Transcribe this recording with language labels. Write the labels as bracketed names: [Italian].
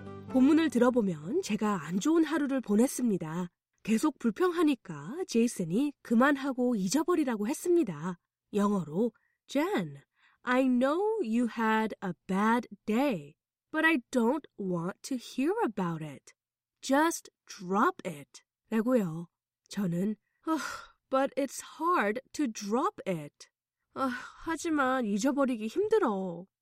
[Korean] 본문을 들어보면 제가 안 좋은 하루를 보냈습니다. 계속 불평하니까 제이슨이 그만하고 잊어버리라고 했습니다. 영어로 [English] Jen, I know you had a bad day. But I don't want to hear about it. Just drop it. [Korean] 라고요. 저는, [English] oh, but it's hard to drop it. [Korean] Oh, 하지만 잊어버리기 힘들어.